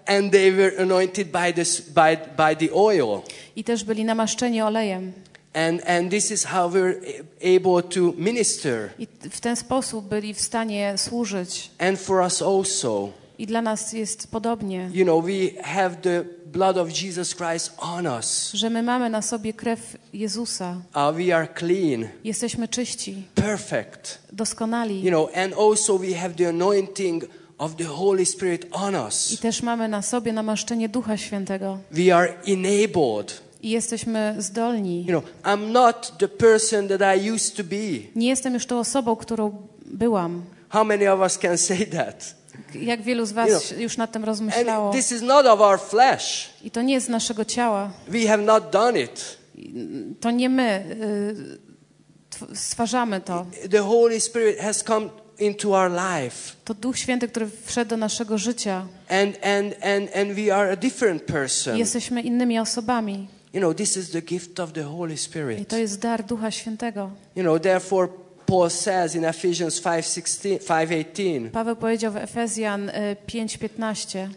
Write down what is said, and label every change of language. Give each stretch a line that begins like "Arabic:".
English: And they were anointed by the oil.
Polish: I też byli namaszczeni olejem.
English: And this is how we're able to minister.
Polish: I w ten sposób byli w stanie służyć.
English: And for us also.
Polish: I dla nas jest podobnie.
English: You know, we have the blood of Jesus Christ on us.
Polish: Że my mamy na sobie krew Jezusa.
English: We are clean.
Polish: Jesteśmy czyści.
English: Perfect.
Polish: Doskonali.
English: You know, and also we have the anointing of the Holy Spirit on us.
Polish: I też mamy na sobie namaszczenie Ducha Świętego.
English: We are enabled.
Polish: I jesteśmy zdolni.
English: You know, I'm not the person that I used to be.
Polish: Nie jestem już tą osobą, którą byłam.
English: How many of us can say that?
Polish: Jak wielu z was,
English: you know,
Polish: już nad tym rozmyślało?
English: And this is not of our flesh.
Polish: I to nie jest z naszego ciała.
English: We have not done it.
Polish: To nie my stwarzamy to.
English: The Holy Spirit has come into our life.
Polish: To Duch Święty, który wszedł do naszego życia.
English: And we are a different person.
Polish: Jesteśmy innymi osobami.
English: You know, this is the gift of the Holy Spirit.
Polish: I to jest dar Ducha Świętego.
English: You know, therefore Paul says in Ephesians 5:18.
Polish: Paweł powiedział w Efezjan 5:15.